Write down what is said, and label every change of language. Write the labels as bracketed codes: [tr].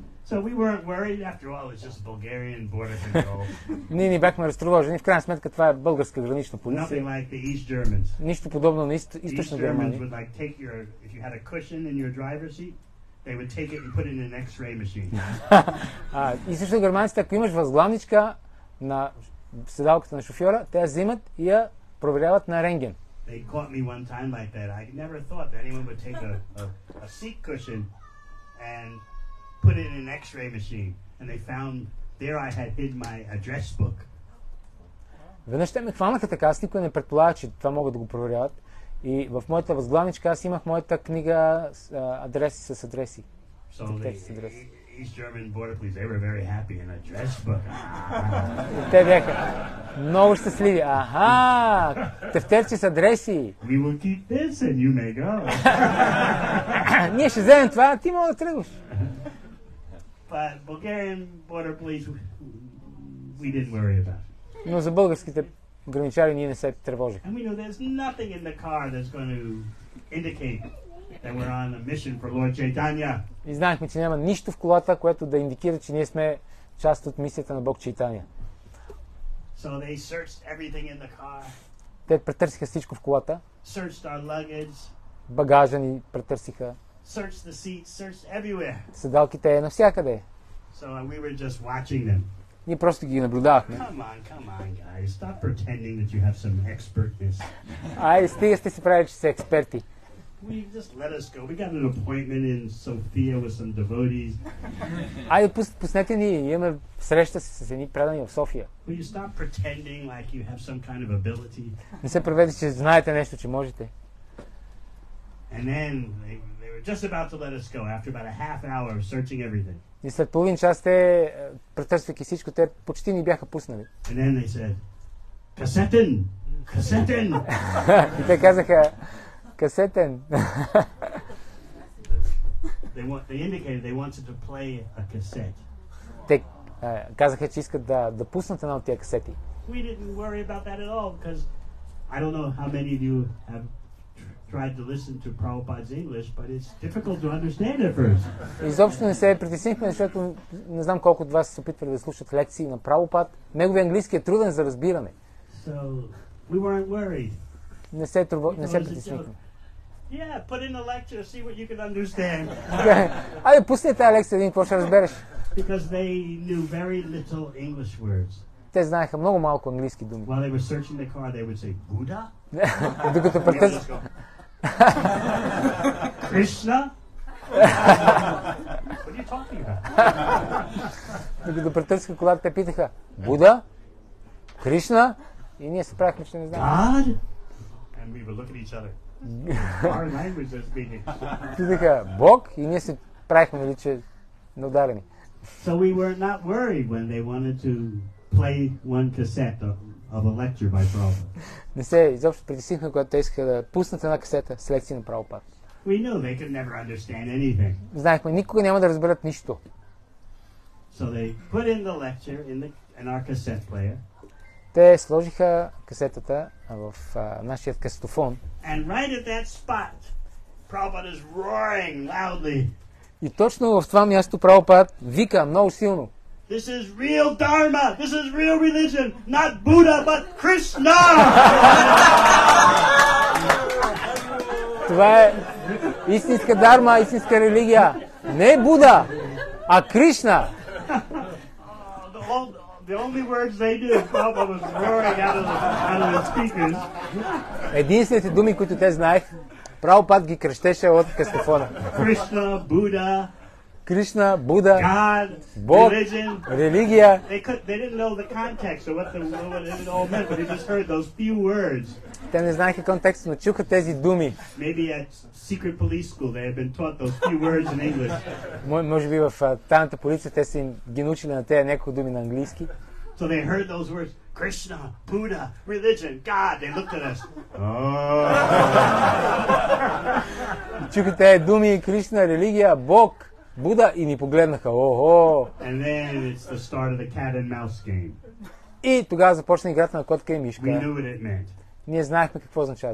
[en] So we weren't worried after all, it's just Bulgarian border control. [bg] Ние не бяхме разтревожени, в крайна сметка това е българска гранична полиция. [en] Nothing like the East Germans. [bg] Нищо подобно на източна Германия. [en] The East Germans would like take your, if you had a cushion in your driver's seat, they would take it and put it in an X-ray machine. [bg] Източно германците, ако имаш възглавничка на седалката на шофьора, те я взимат и я проверяват на рентген. [en] They caught me one time like that. I never thought that anyone would take a seat cushion and put it in an X-ray machine, and they found there I had hid my address book. [bg] Веднъж те ме хванаха така, аз никой не предполага, че това могат да го проверяват. И в моята възглавничка аз имах моята книга адреси с адреси. [en] So the East German border police, they were very happy in a dress book. [bg] Те бяха много щастливи. Аха, тефтерче с адреси. [en] We will keep this and you may go. [bg] Ние ще вземем това, ти мога да тръгваш. [en] But Bulgarian border police, we didn't worry about. [bg] Но за българските граничари ние не се тревожихме. [en] And we know there's nothing in the car that's going to indicate And we're on a mission for Lord Chaitanya. [bg] И знаехме, че няма нищо в колата, което да индикира, че ние сме част от мисията на Бог Чайтания. [en] So they searched everything in the car. [bg] Те претърсиха всичко в колата. [en] Searched our luggage. [bg] Багажа ни претърсиха. [en] Searched the seats, searched everywhere. [bg] Седалките навсякъде. [en] So we were just watching them. Ние просто ги наблюдавахме. Come on, guys. Stop pretending that you have some expertness. [bg] Ай, стига сте си правили, че са експерти. [en] We just let us go. We got an appointment in Sofia with some devotees. [bg] Ай, пуснете ни. Имаме среща с едни предани в София. [en] Will you stop pretending like you have some kind of ability? [bg] Не се правете, че знаете нещо, че можете. [en] And then they were just about to let us go after about a half hour of searching everything. [bg] И след половин час те, претърсвайки всичко, те почти ни бяха пуснали. [en] And then they said, [bg] "Касетен! Касетен!" И те казаха, касетен. [en] They indicated they wanted to play a cassette. [bg] Те казаха, че искат да пуснат една от тия касети. [en] We didn't worry about that at all because I don't know how many of you have tried to listen to Prabhupada's English, but it's difficult to understand at first. [bg] Изобщо не се притеснихме, защото не знам колко от вас се опитвали да слушат лекции на Прабхупад. Неговият английски е труден за разбиране. [en] So we weren't worried. [bg] Не се притеснихме. [en] Yeah, put in a lecture, see what you can understand. [bg] Айде, пусни тази лекция, един какво ще разбереш. [en] Because they knew very little English words. [bg] Те знаеха много малко английски думи. [en] While they were searching the car, they would say, Buddha? [bg] Докато претърсиха. [en] Krishna? What are you talking about? [bg] Докато претърсиха колата, те питаха, Буда? Кришна? И ние се правихме, че не знаем. [en] God? And we were looking at each other. Our language is speaking. [bg] Питаха Бог и ние се правихме величе на ударени. [en] So we were not worried when they wanted to play one cassette of a lecture by Prabhupada. [bg] Не се изобщо притеснихме, когато те искаха да пуснат една касета с лекции на Прабхупад. [en] We knew they could never understand anything. [bg] Знаехме, никога няма да разберат нищо. [en] So they put in the lecture in our cassette player. [bg] Те сложиха касетата в нашия касетофон. [en] And right at that spot, Prabhupada is roaring loudly. [bg] И точно в това място Прабхупад вика много силно. [en] This is real dharma. This is real religion, not Buddha, but Krishna. [bg] Това е истинска дарма, истинска религия. Не Буда, а Кришна. [en] The only words they did, Prabhupada was roaring out of the speakers. [bg] Единствените думи, които те знаех, Прабхупад ги крещеше от касетофона. Кришна, Буда. Кришна, Буда, [en] God, [bg] Бог, [en] religion. [bg] Религия. [en] They didn't know the context or what it all meant, but they just heard those few words. [bg] Те не знаеха контекста, но чуха тези думи. [en] Maybe at secret police school they have been taught those few words in English. [bg] Може би в тайната полиция те са им ги научили на тези някои думи на английски. [en] So they heard those words, Krishna, Buddha, religion, God. They looked at us. Oh. [bg] Чуха тези думи, Кришна, религия, Бог, Буда, и ни погледнаха. Охо. [en] And then it's the start of the cat and mouse game. [bg] И тогава започна играта на котка и мишка. [en] We knew what it meant. [bg] Ние знаехме какво означава.